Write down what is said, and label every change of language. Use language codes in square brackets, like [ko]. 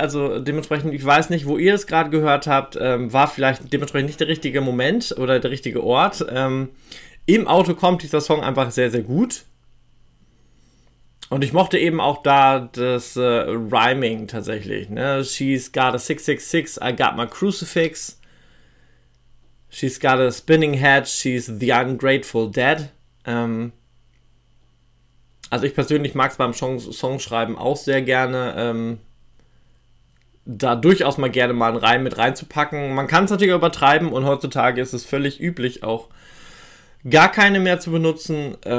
[de] Also dementsprechend, ich weiß nicht, wo ihr es gerade gehört habt, war vielleicht dementsprechend nicht der richtige Moment oder der richtige Ort. Im Auto kommt dieser Song einfach sehr, sehr gut. Und ich mochte eben auch da das Rhyming tatsächlich. Ne? [en] She's got a 666, I got my crucifix. She's got a spinning head, she's the ungrateful dead. [de] Also ich persönlich mag es beim Songschreiben auch sehr gerne, da durchaus mal gerne mal einen Reim mit reinzupacken. Man kann es natürlich auch übertreiben und heutzutage ist es völlig üblich, auch gar keine mehr zu benutzen.